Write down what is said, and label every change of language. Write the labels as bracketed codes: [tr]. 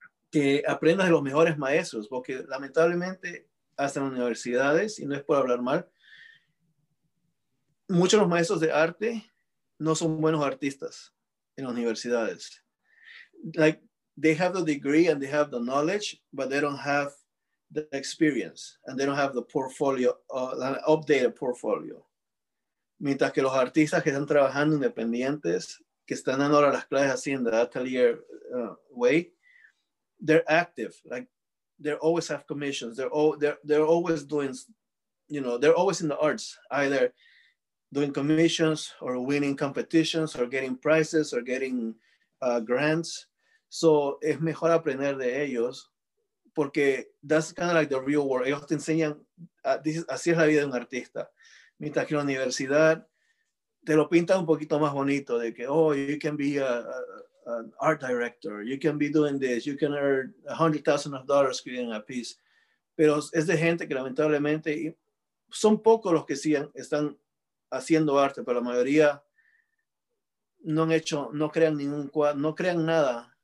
[es] Que aprendas de los mejores maestros, porque lamentablemente hasta en universidades, y no es por hablar mal, muchos de los maestros de arte no son buenos artistas en las universidades. [en] Like, they have the degree and they have the knowledge, but they don't have the experience, and they don't have the portfolio, an updated portfolio. [es] Mientras que los artistas que están trabajando independientes, que están dando ahora las clases así en [en] the atelier way, they're active. Like, they always have commissions. They're always doing, you know, they're always in the arts, either doing commissions or winning competitions or getting prizes or getting grants. [es] So es mejor aprender de ellos [en] porque that's kind of like the real world. [es] Ellos te enseñan, así es la vida de un artista. Mientras que en la universidad te lo pintan un poquito más bonito, de que, [en] oh, you can be an art director, you can be doing this, you can earn $100,000 creating a piece. [es] Pero es de gente que lamentablemente, y son pocos los que sí están haciendo arte, pero la mayoría no han hecho, no crean ningún cuadro, no crean nada.